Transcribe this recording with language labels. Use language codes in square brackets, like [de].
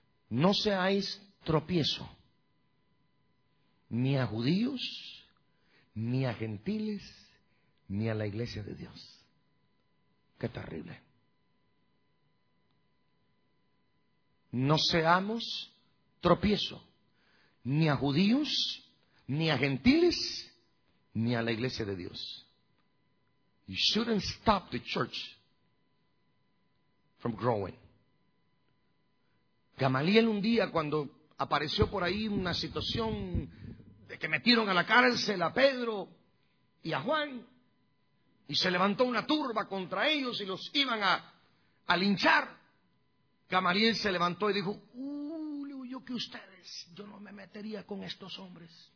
[es] No seáis tropiezo, ni a judíos, ni a gentiles, ni a la iglesia de Dios. ¡Qué terrible! No seamos tropiezo, ni a judíos, ni a gentiles, ni a la iglesia de Dios. [en] You shouldn't stop the church from growing. [es] Gamaliel un día, cuando apareció por ahí una situación de que metieron a la cárcel a Pedro y a Juan, y se levantó una turba contra ellos y los iban a linchar, Gamaliel se levantó y dijo, yo que ustedes, yo no me metería con estos hombres.